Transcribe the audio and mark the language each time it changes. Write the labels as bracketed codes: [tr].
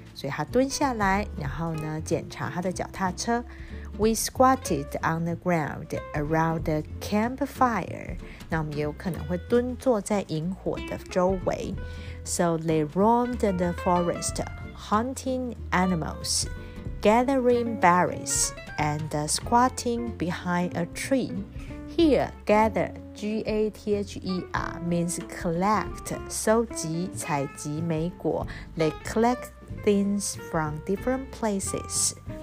[zh] 所以他蹲下来，然后呢，检查他的脚踏车。 [en] We squatted on the ground around the campfire. [zh] 那我们也有可能会蹲坐在萤火的周围。 [en] So they roamed the forest, hunting animals, gathering berries, and squatting behind a tree. Here, gather, G-A-T-H-E-R, means collect, [zh] 收集采集莓果 [en] They collect things from different places.